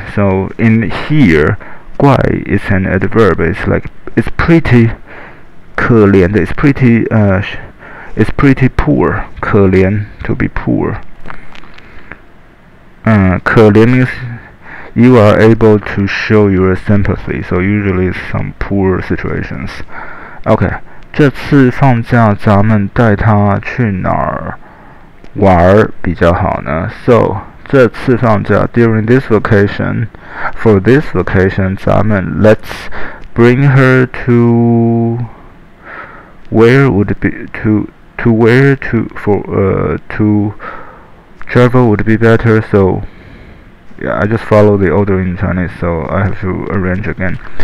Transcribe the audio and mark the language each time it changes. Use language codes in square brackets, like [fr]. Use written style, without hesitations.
[en] So in here, 怪 is an adverb, it's like, it's pretty 可怜的, it's pretty poor, 可怜, to be poor. 可怜 means you are able to show your sympathy, so usually it's some poor situations. [zh] Okay, 这次放假咱们带他去哪儿玩比较好呢? [en] So, [zh] 这次放假, [en] during this vacation, for this vacation, 咱们 let's bring her to... Where would it be to... To where to, for, to travel would be better, so yeah, I just follow the order in Chinese, so I have to arrange again.